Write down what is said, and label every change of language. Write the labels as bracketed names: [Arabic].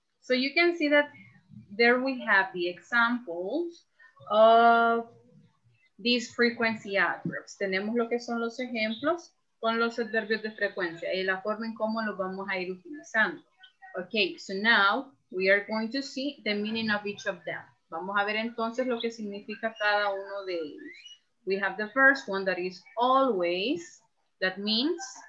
[English] So you can see that there we have the examples of these frequency adverbs. [Spanish] Tenemos lo que son los ejemplos con los adverbios de frecuencia y la forma en cómo los vamos a ir utilizando. [English] Okay, so now we are going to see the meaning of each of them. [Spanish] Vamos a ver entonces lo que significa cada uno de ellos. [English] We have the first one that is always, that means.